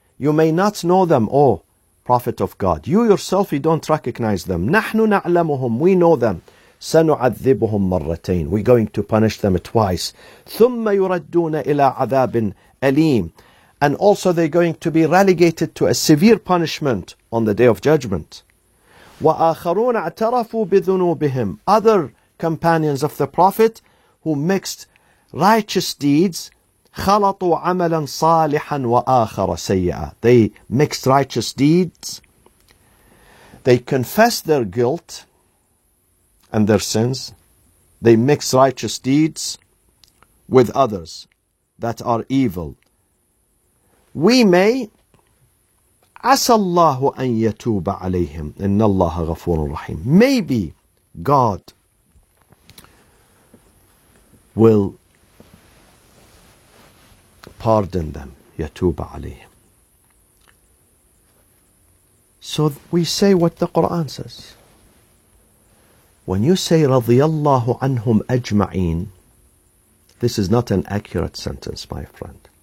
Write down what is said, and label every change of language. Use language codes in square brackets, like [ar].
[en] You may not know them, O Prophet of God. You yourself, you don't recognize them. [ar] نحن نعلمهم. [en] We know them. [ar] سنعذبهم مرتين. [en] We're going to punish them twice. [ar] ثم يردون إلى عذاب أليم. [en] And also they're going to be relegated to a severe punishment on the day of judgment. [ar] وآخرون اعترفوا بذنوبهم. [en] Other companions of the Prophet who mixed righteous deeds, [ar] خلطوا عملا صالحا وآخر سيئا. [en] They mixed righteous deeds. They confessed their guilt and their sins. They mixed righteous deeds with others that are evil. We may [ar] عسى الله أن يتوب عليهم إن الله غفور رحيم. [en] Maybe God will pardon them. [ar] يتوب عليهم. [en] So we say what the Quran says. When you say [ar] رضي الله عنهم أجمعين, [en] this is not an accurate sentence, my friend.